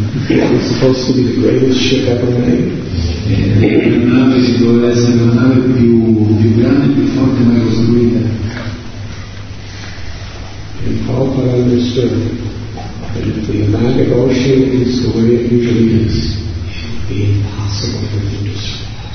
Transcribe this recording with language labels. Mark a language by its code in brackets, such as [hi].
[en] It was supposed to be the greatest ship ever made. [it] La nave doveva essere la nave più grande e più forte mai costruita. [en] And Prabhupada understood that if the Atlantic Ocean is the way it usually is, it would be impossible for him to survive.